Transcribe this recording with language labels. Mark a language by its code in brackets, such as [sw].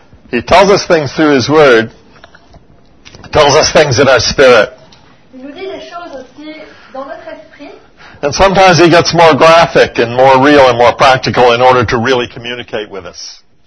[en] He tells us things through his word. He tells us things in our spirit. [fr] Il nous dit des choses aussi dans notre esprit. [en] And sometimes he gets more graphic and more real and more practical in order to really communicate with us.